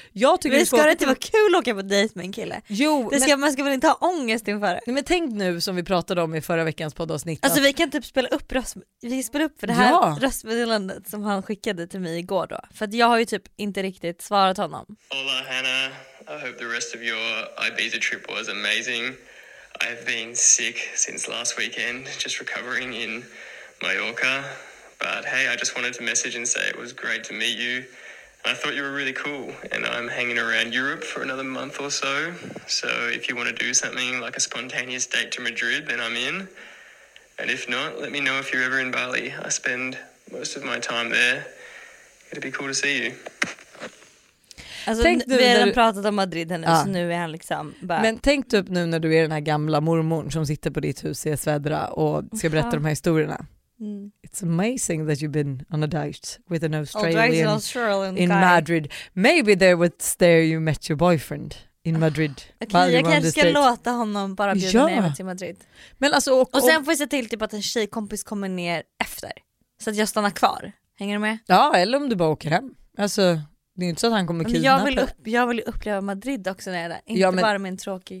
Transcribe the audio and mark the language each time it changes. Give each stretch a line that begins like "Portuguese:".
Swedish: Jag tycker men ska det inte vara kul att åka på dejt med en kille? Jo. Det ska, men, man ska väl inte ha ångest inför det? Nej, men tänk nu som vi pratade om i förra veckans poddavsnitt. Alltså vi kan typ spela upp för det här ja. Röstmeddelandet som han skickade till mig igår då. För att jag har ju typ inte riktigt svarat honom.
English: Hola Hannah, I hope the rest of your Ibiza trip was amazing. I've been sick since last weekend, just recovering in Mallorca. But hey, I just wanted to message and say it was great to meet you. I thought you were really cool, and I'm hanging around Europe for another month or so. So if you want to do something like a spontaneous date to Madrid, then I'm in. And if not, let me know if you're ever in Bali. I spend most of my time there. It'd be cool to see you.
Swedish: Alltså, tänk nu, vi har redan pratat om Madrid henne, ja. Så nu är han liksom bara... Men tänk du upp nu när du är den här gamla mormorn som sitter på ditt hus i Svedra och ska berätta de här historierna. Mm.
English: It's amazing that you've been on a date with an Australian, Australian in guy. Madrid. Maybe there was there you met your boyfriend in Madrid.
Swedish: Okay, jag kanske ska låta honom bara bjuda ja. Mig till Madrid. Men alltså, och sen får jag se till typ att en tjejkompis kommer ner efter. Så att jag stannar kvar. Hänger du med? Ja, eller om du bara åker hem. Alltså... Det är inte så att han kommer kidnappa. Jag vill, uppleva Madrid också när jag är där. Inte ja, men, bara min tråkig.